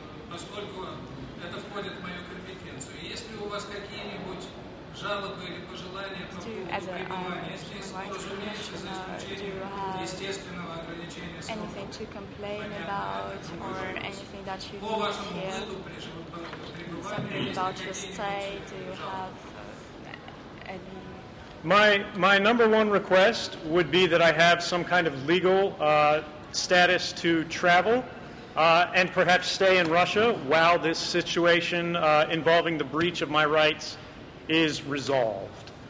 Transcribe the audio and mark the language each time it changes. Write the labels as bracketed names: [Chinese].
[Russian] Поскольку это входит в мою компетенцию. Есть ли у вас какие-нибудь жалобы или пожелания по поводу пребывания здесь, разумеется, за исключением естественного ограничения свободы? [English] Anything to complain about or anything that you [Russian] по вашему опыту пребывания [English] about your stay, do you have any? My number one request would be that I have some kind of legal status to travel. And perhaps stay in Russia while this situation involving the breach of my rights is resolved.